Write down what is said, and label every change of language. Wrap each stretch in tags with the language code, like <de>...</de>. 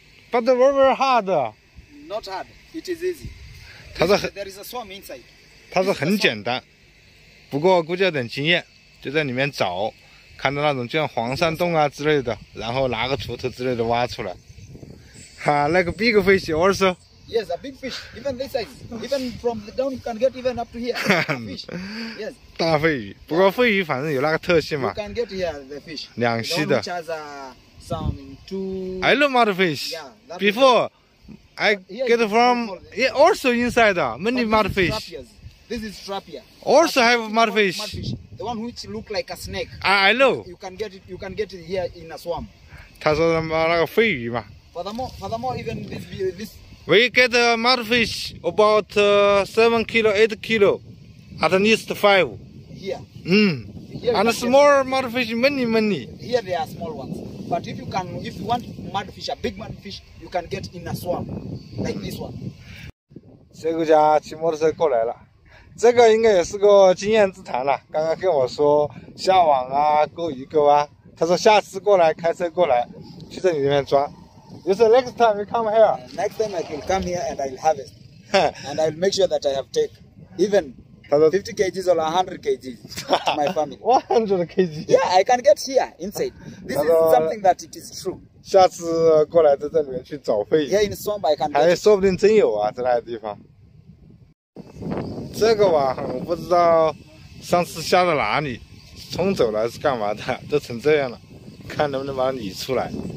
<en>But very very hard. Not hard, it is easy.</en> <zh>他说</zh> <en>There is a swamp inside.</en> <zh>他说很简单，不过估计要点经验，就在里面找，看到那种就像黄山洞啊之类的，然后拿个锄头之类的挖出来。哈，那个</zh> <en>big fish also. Yes, a big fish, even this size, even from the down you can get even up to here. Fish. Yes.</en> <zh>大肺鱼，不过肺鱼反正有那个特性嘛。</zh> <en>You can get here the fish.</en> <zh>两栖的。</zh> <en>Which has a some two. I love mud fish. Yeah. Before, I get from yeah also inside many mud fish. This is trapia. Also have mud fish. The one which look like a snake. I know. You can get it here in a swamp.</en> <zh>他说什么那个肺鱼嘛。</zh> <en>Furthermore, even this we get a mudfish about 7 kilo, 8 kilo, at least 5. Here. Mm. Here and small mudfish, many. Here they are small ones. But if you want mudfish, a big mudfish, you can get in a swamp like this one.</en> <zh>Segujja 骑摩托车过来了，这个应该也是个经验之谈了。刚刚跟我说下网啊，钩鱼钩啊，他说下次过来开车过来，去这里面抓。</zh> <en>You say next time you come here. Next time I can come here and I'll harvest. And I'll make sure that I have take. Even 50 kgs or 100 kgs to my family. 100 kgs? Yeah, I can get here inside. This is something that it is true.</en> <zh>下次过来在这里面去找肺鱼。</zh> <en>Here in swamp I can get.</en> <zh>还有说不定真有啊，在那个地方。这个网我不知道上次下到哪里，冲走了还是干嘛的，都成这样了，看能不能把它理出来。</zh>